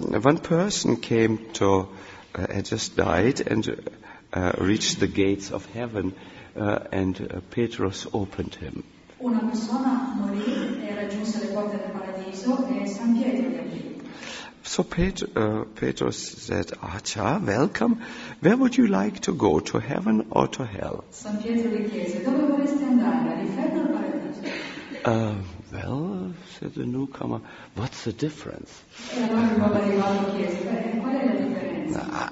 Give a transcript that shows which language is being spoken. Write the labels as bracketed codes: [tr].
[en] One person came to had just died and reached the gates of heaven and Petrus opened him. [it] Una persona morì e raggiunse le porte del paradiso e San Pietro gli aprì. [en] So Petrus said, "Acha, welcome. Where would you like to go, to heaven or to hell?" [it] San Pietro gli chiese, "Dove vorresti andare, all'inferno o al paradiso?" [en] Well, said the newcomer, "What's the difference?" [it] E allora il nuovo arrivato chiese, "Qual è la differenza?"